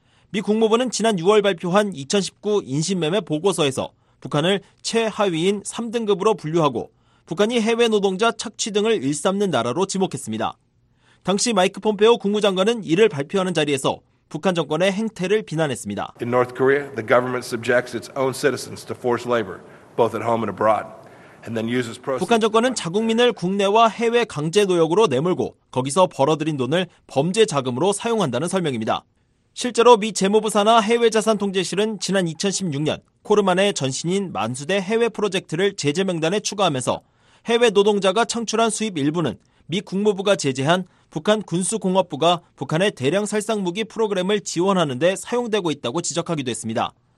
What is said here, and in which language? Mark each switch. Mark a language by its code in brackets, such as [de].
[ko] 미 국무부는 지난 6월 발표한 2019 인신매매 보고서에서 북한을 최하위인 3등급으로 분류하고 북한이 해외 노동자 착취 등을 일삼는 나라로 지목했습니다. 당시 마이크 폼페오 국무장관은 이를 발표하는 자리에서 북한 정권의 행태를 비난했습니다. [en] In North Korea, the government subjects its own citizens to forced labor, both at home and abroad. [ko] 북한 정권은 자국민을 국내와 해외 강제 노역으로 내몰고 거기서 벌어들인 돈을 범죄 자금으로 사용한다는 설명입니다. 실제로 미 재무부 산하 해외자산통제실은 지난 2016년 코르만의 전신인 만수대 해외 프로젝트를 제재 명단에 추가하면서 해외 노동자가 창출한 수입 일부는 미 국무부가 제재한 북한 군수공업부가 북한의 대량 살상무기 프로그램을 지원하는 데 사용되고 있다고 지적하기도 했습니다.